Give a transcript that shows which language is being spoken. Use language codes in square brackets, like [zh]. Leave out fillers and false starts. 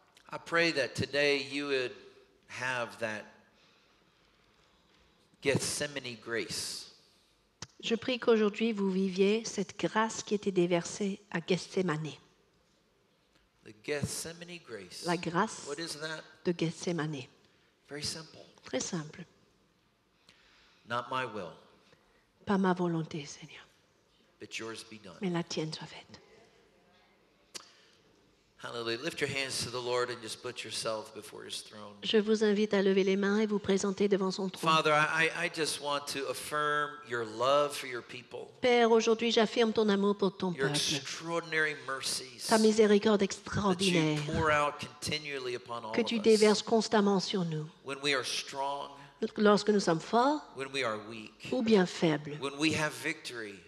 [en] I pray that today you would have that Gethsemane grace. [fr] Je prie qu'aujourd'hui vous viviez cette grâce qui était déversée à Gethsemane. [en] The Gethsemane grace. [fr] La grâce. [en] What is that? [fr] De Gethsemane. [en] Very simple. [fr] Très simple. [en] Not my will. [fr] Pas ma volonté, Seigneur. [en] But yours be done. [fr] Mais la tienne soit faite. [en] Hallelujah. Lift your hands to the Lord and just put yourself before his throne. [fr] Je vous invite à lever les mains et vous présenter devant son trône. [en] Father, I just want to affirm your love for your people. [fr] Père, aujourd'hui j'affirme ton amour pour ton peuple. [en] Your extraordinary mercies. [fr] Ta miséricorde extraordinaire. [en] That you pour out continually upon all of us. [fr] Que tu déverses constamment sur nous. [en] When we are strong. [fr] Lorsque nous sommes forts. [en] When we are weak. [fr] Ou bien faibles. [en] When we have victory.